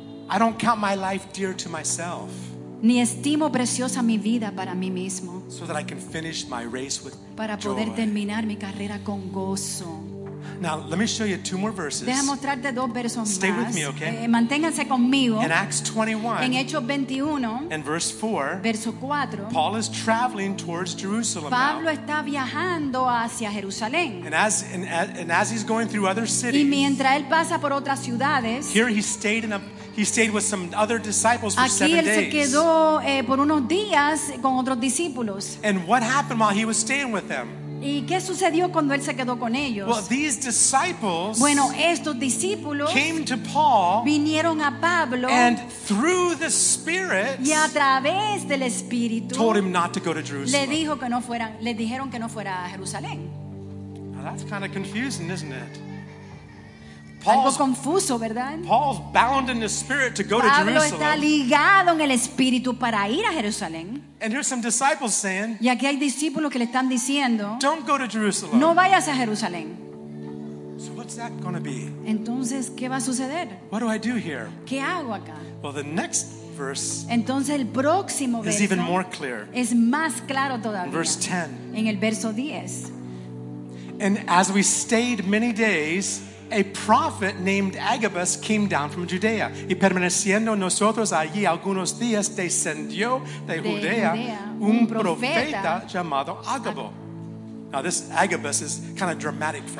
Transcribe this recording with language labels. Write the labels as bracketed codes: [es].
[en] I don't count my life dear to myself. [es] Ni estimo preciosa mi vida para mí mismo. [en] So that I can finish my race with [es] para [en] joy. [es] Para poder terminar mi carrera con gozo. [en] Now let me show you two more verses. [es] Deja mostrarte dos versos más. [en] Stay with me, okay? [es] Manténganse conmigo. [en] In Acts 21. [es] En Hechos 21. [en] And verse 4. [es] Verso 4. [en] Paul is traveling towards Jerusalem. [es] Pablo [en] now. [es] Está viajando hacia Jerusalén. [en] And as he's going through other cities. [es] Y mientras él pasa por otras ciudades. [en] Here he stayed with some other disciples for 7 days. [es] Aquí él se quedó por unos días con otros discípulos. [en] And what happened while he was staying with them? [es] ¿Y qué sucedió cuando él se quedó con ellos? [en] Well, these disciples [es] bueno, estos discípulos [en] came to Paul [es] vinieron a Pablo [en] and through the Spirit [es] y a través del Espíritu [en] told him not to go to Jerusalem. [es] Le dijeron que no fuera a Jerusalén. [en] Now that's kind of confusing, isn't it? [es] Paul's, algo confuso, ¿verdad? [en] Paul's bound in the spirit to go [es] Pablo [en] to Jerusalem. [es] Está ligado en el espíritu para ir a Jerusalén. [en] And here's some disciples saying, [es] y aquí hay discípulos que le están diciendo, [en] don't go to Jerusalem. [es] No vayas a Jerusalén. [en] So what's that going to be? [es] Entonces, ¿qué va a suceder? [en] What do I do here? [es] ¿Qué hago acá? [en] Well, the next verse, [es] entonces, el próximo verso [en] is even more clear. [es] Es más claro todavía. [en] Verse 10. [es] En el verso 10. [en] And as we stayed many days, a prophet named Agabus came down from Judea. [es] Y permaneciendo nosotros allí algunos días, descendió de Judea un profeta llamado Agabo. [en] Now this Agabus is kind of dramatic for